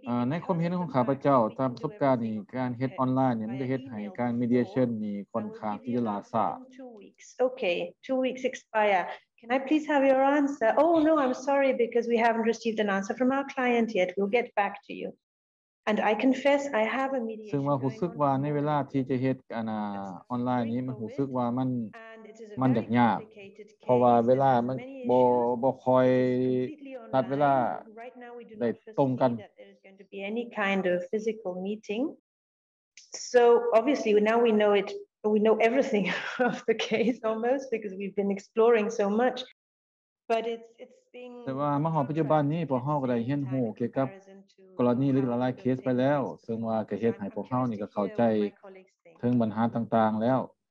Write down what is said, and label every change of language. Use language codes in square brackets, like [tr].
[th] ในความเห็นของข้าพเจ้าตามประสบการณ์นี่การเฮ็ดออนไลน์เนี่ยมันจะเฮ็ดให้การมีเดียชั่นนี่ค่อนข้างที่จะล่าช้า [en] Okay 2 weeks expire Can I please have your answer Oh no I'm sorry because we haven't received an answer from our client yet we'll get back to you And I confess I have a mediation [th] ซึ่งว่ารู้สึกว่าในเวลาที่จะเฮ็ดอันออนไลน์นี้มันรู้สึกว่ามันยากยากเพราะว่าเวลามันบ่ค่อยนัดเวลาได้ตรงกัน [en] any kind of physical meeting so obviously now we know it we know everything of the case almost because we've been exploring so much but it's being [th] แต่ว่ามาหอปัจจุบันนี้พวกเฮาก็ได้เห็นฮู้เกี่ยวกับกรณีหรือหลายๆเคสไปแล้วซึ่งว่าก็เฮ็ดให้พวกเฮานี่ก็เข้าใจถึงปัญหาต่างๆแล้ว